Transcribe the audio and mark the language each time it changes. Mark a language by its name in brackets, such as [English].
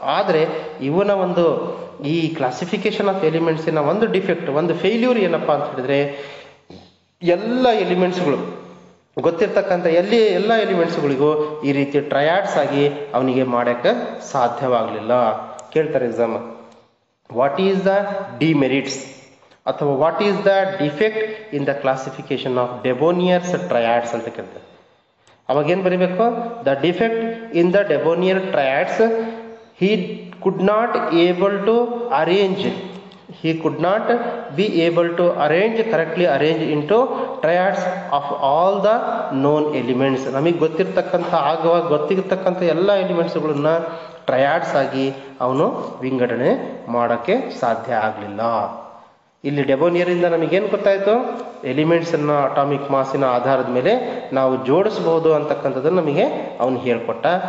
[Kannada] ಆದರೆ ಇವನ ಒಂದು ಈ ಕ್ಲಾಸಿಫಿಕೇಶನ್ ಆಫ್ ಎಲಿಮೆಂಟ್ಸಿನ ಒಂದು ಡಿಫೆಕ್ಟ್, ಒಂದು ಫೇಲ್ಯೂರ್ ಏನಪ್ಪ ಅಂತ ಹೇಳಿದ್ರೆ, ಎಲ್ಲ ಎಲಿಮೆಂಟ್ಸ್ಗಳು ಗೊತ್ತಿರ್ತಕ್ಕಂಥ ಎಲ್ಲ ಎಲಿಮೆಂಟ್ಸ್ಗಳಿಗೂ ಈ ರೀತಿ ಟ್ರಯಾಡ್ಸ್ ಆಗಿ ಅವನಿಗೆ ಮಾಡೋಕ್ಕೆ ಸಾಧ್ಯವಾಗಲಿಲ್ಲ. ಕೇಳ್ತಾರೆ exam, [English] what is the demerits ಅಥವಾ what is the defect in the classification of Dobereiner's triads [Kannada] ಅಂತ ಕೇಳ್ತಾರೆ. ಅವಾಗೇನು ಬರೀಬೇಕು, [English] The defect in the Dobereiner triads, he could not able to arrange he could not be able to arrange correctly arrange into triads of all the known elements. [Kannada] ನಮಗೆ ಗೊತ್ತಿರ್ತಕ್ಕಂಥ ಆಗುವಾಗ ಗೊತ್ತಿರ್ತಕ್ಕಂಥ ಎಲ್ಲ ಎಲಿಮೆಂಟ್ಸ್ಗಳನ್ನ triads ಆಗಿ ಅವನು ವಿಂಗಡಣೆ ಮಾಡೋಕ್ಕೆ ಸಾಧ್ಯ ಆಗಲಿಲ್ಲ. ಇಲ್ಲಿ ಡೆಬೋನಿಯರಿಂದ ನಮಗೇನು ಗೊತ್ತಾಯಿತು, ಎಲಿಮೆಂಟ್ಸನ್ನು ಅಟಾಮಿಕ್ ಮಾಸಿನ ಆಧಾರದ ಮೇಲೆ ನಾವು ಜೋಡಿಸ್ಬೋದು ಅಂತಕ್ಕಂಥದ್ದನ್ನು ನಮಗೆ ಅವನು ಹೇಳ್ಕೊಟ್ಟ.